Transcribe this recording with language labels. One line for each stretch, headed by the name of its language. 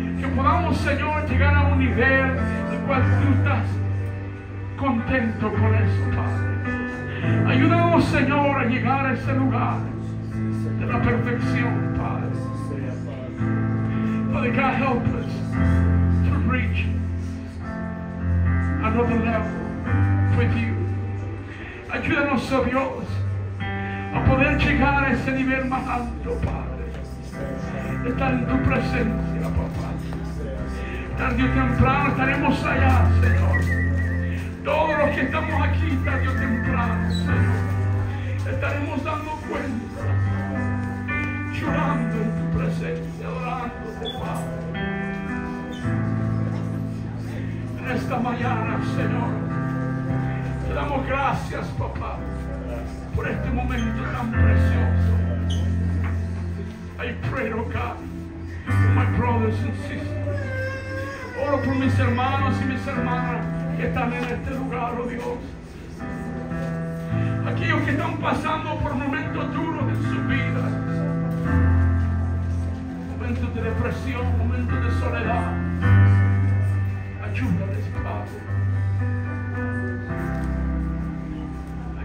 Spanish: podamos, Señor, llegar a un nivel en cual tú estás contento con eso, Padre. Ayúdanos, Señor, a llegar a ese lugar de la perfección, Padre.
English: Father God, help us to reach another level with you.
Spanish: Ayúdanos, oh Dios, a poder llegar a ese nivel más alto, Padre. Estar en tu presencia, papá. Tarde o temprano estaremos allá, Señor. Todos los que estamos aquí, tarde o temprano, Señor, estaremos dando cuenta, llorando en tu presencia, adorándote, Padre. En esta mañana, Señor, te damos gracias, papá, por este momento tan precioso.
English: I pray, oh God, for my brothers and sisters.
Spanish: Oro por mis hermanos y mis hermanas que están en este lugar, oh Dios. Aquellos que están pasando por momentos duros de su vida. Momentos de depresión, momentos de soledad. Ayúdales, Padre.